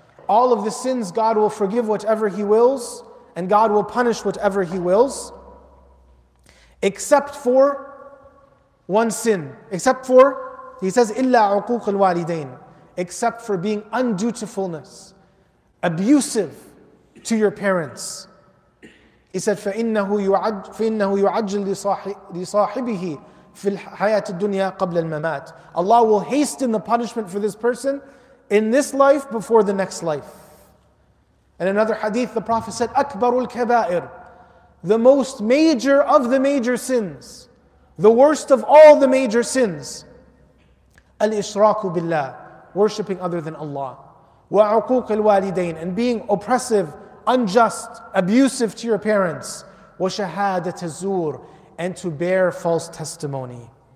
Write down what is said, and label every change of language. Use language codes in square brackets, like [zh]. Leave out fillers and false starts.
[en] All of the sins, God will forgive whatever He wills, and God will punish whatever He wills, except for one sin, except for, he says, [ar] illa uquq al-walidain, [en] except for being undutifulness, abusive to your parents. He said, [ar] فَإِنَّهُ يُعَجِّلْ لِصَاحِبِهِ فِي الْحَيَاةِ الدُّنْيَا قَبْلَ الْمَمَاتِ. [en] Allah will hasten the punishment for this person in this life before the next life. In another hadith, the Prophet said, [ar] أَكْبَرُ الْكَبَائِرِ, [en] the most major of the major sins, the worst of all the major sins, [ar] al-ishraku billah, [en] worshipping other than Allah, [ar] wa'uquq al-walidain, [en] and being oppressive, unjust, abusive to your parents, [ar] wa-shahadat az-zur, [en] and to bear false testimony.